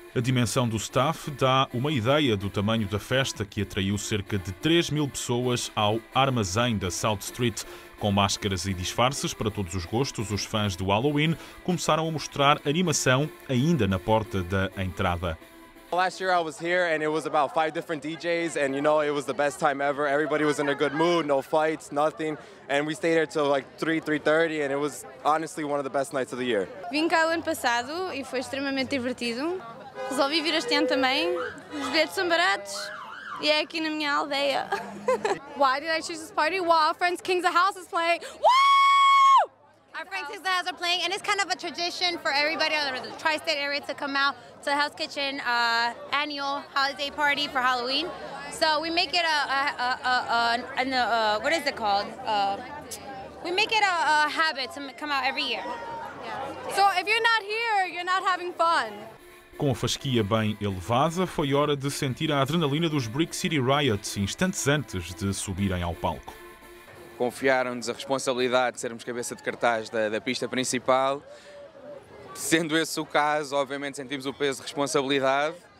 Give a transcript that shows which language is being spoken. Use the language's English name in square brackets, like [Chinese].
[Portuguese] A dimensão do staff dá uma ideia do tamanho da festa, que atraiu cerca de 3 mil pessoas ao armazém da South Street. Com máscaras e disfarces para todos os gostos, os fãs do Halloween começaram a mostrar animação ainda na porta da entrada. [English] Last year I was here and it was about 5 different DJs and you know it was the best time ever. Everybody was in a good mood, no fights, nothing. And we stayed here till like 3:30 and it was honestly one of the best nights of the year. [Portuguese] Vim cá o ano passado e foi extremamente divertido. Resolvi vir este ano também. Os bilhetes são baratos e é aqui na minha aldeia. [English] Why did I choose this party? Well, our friends Kings of House is playing. Woo! Our friends Kings of House are playing and it's kind of a tradition for everybody out of the tri-state area to come out to Hell's Kitchen annual holiday party for Halloween. So we make it a habit to come out every year. So if you're not here, you're not having fun. [Portuguese] Com a fasquia bem elevada, foi hora de sentir a adrenalina dos Brick City Riots instantes antes de subirem ao palco. Confiaram-nos a responsabilidade de sermos cabeça de cartaz da pista principal. Sendo esse o caso, obviamente sentimos o peso de responsabilidade.